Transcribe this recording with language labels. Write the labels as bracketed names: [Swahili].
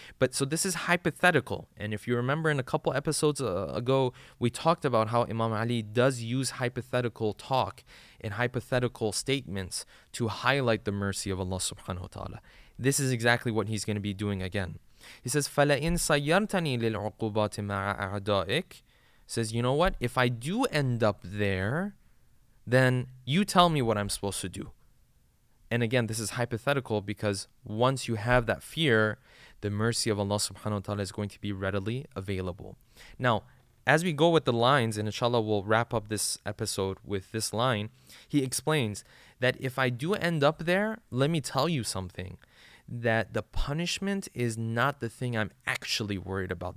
[English] But so this is hypothetical. And if you remember in a couple episodes ago, we talked about how Imam Ali does use hypothetical talk and hypothetical statements to highlight the mercy of Allah subhanahu wa ta'ala. This is exactly what he's going to be doing again. He says, [Arabic] فَلَئِنْ سَيَّرْتَنِي لِلْعُقُوبَاتِ مَعَ أَعْدَائِكَ. [English] Says, you know what? If I do end up there, then you tell me what I'm supposed to do. And again, this is hypothetical, because once you have that fear, the mercy of Allah subhanahu wa ta'ala is going to be readily available. Now, as we go with the lines, and inshallah we'll wrap up this episode with this line, he explains that if I do end up there, let me tell you something, that the punishment is not the thing I'm actually worried about.